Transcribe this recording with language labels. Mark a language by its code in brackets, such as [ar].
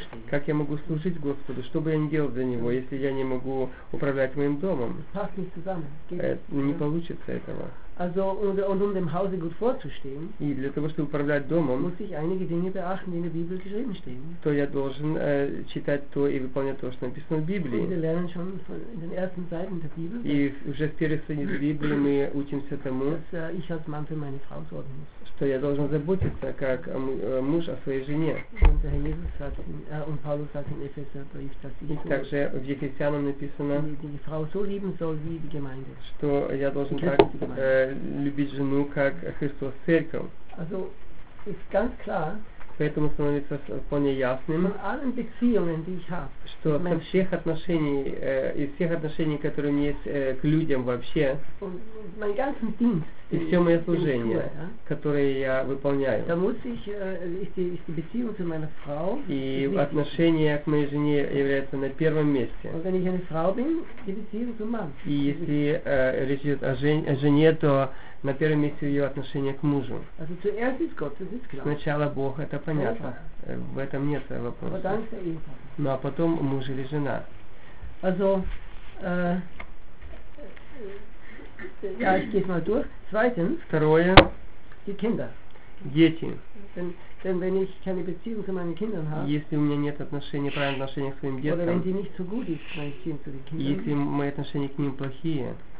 [ru] Как я могу служить Господу? Что бы я ни делал для Него, если я не могу управлять моим домом? Не получится этого. [de] Also um dem Hause gut vorzustehen, [ru] и для того, чтобы управлять домом, [de] muss ich einige Dinge beachten, die in der Bibel geschrieben stehen. [ru] То я должен читать то и выполнять то, что написано в Библии. [de] Und wir lernen schon in den ersten Seiten der Bibel, [ru] и уже в первых страницах Библии мы учимся тому, [de] dass ich als Mann für meine Frau sorgen muss. [ru] Что я должен заботиться, как муж о своей жене. [de] Und der Herr Jesus sagt, und Paulus sagt in Epheserbrief, dass ich [ru] И также в Ефесянам написано, [de] die Frau so lieben soll wie die Gemeinde. [ru] Что я должен так любить жену, как Христос церковь. [de] Also, ist ganz klar, [ru] поэтому становится вполне ясным, [de] allen Beziehungen, die ich hab, [ru] что со всех отношений, из всех отношений, которые у меня есть к людям вообще, [de] mein ganzen Dienst, [ru] и все мое служение, которое я выполняю, [de] da muss ich, ist die Beziehung zu meiner Frau, [ru] и отношение к моей жене является на первом месте. [de] Und wenn ich eine Frau bin, die Beziehung zu Mann. [ru] И если речь идет о жене, то на первом месте ее отношение к мужу. [de] Also, zuerst ist Gott, das ist klar. [ru] Сначала Бог, это понятно. В этом нет вопроса. [de] Aber dann ist der Ehepartner. [ru] Ну а потом муж или жена. [de] Also, ja, ich geh's mal durch. Zweitens, [ru] второе, [de] die Kinder. [ru] Дети. [de] Denn wenn ich keine Beziehung zu meinen Kindern habe, [ru] если у меня нет отношений, правильных отношений к своим деткам, [de] oder wenn die nicht so gut ist, meine Kinder zu den Kindern, [ru] если мои отношения к ним плохие,